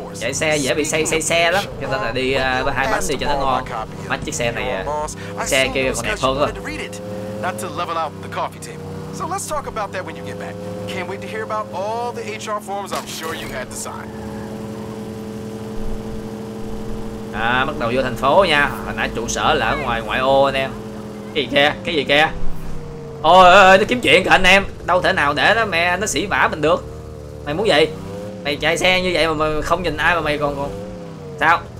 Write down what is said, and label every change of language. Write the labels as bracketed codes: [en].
[vi] Chạy xe dễ bị say xe lắm, cho nên là đi hai bánh đi cho nó ngon. Bắt chiếc xe này, xe kia còn đẹp hơn rồi. [en] So let's talk about that when you get back. Can't wait to hear about all the HR forms I'm sure you had to sign. [vi] À, bắt đầu vô thành phố nha. Hồi nãy trụ sở là ở ngoài ngoại ô anh em. Cái gì kìa? Ôi, nó kiếm chuyện kìa anh em. Đâu thể nào để nó mẹ nó xỉ vả mình được. Mày muốn gì? Mày chạy xe như vậy mà mày không nhìn ai mà mày còn sao?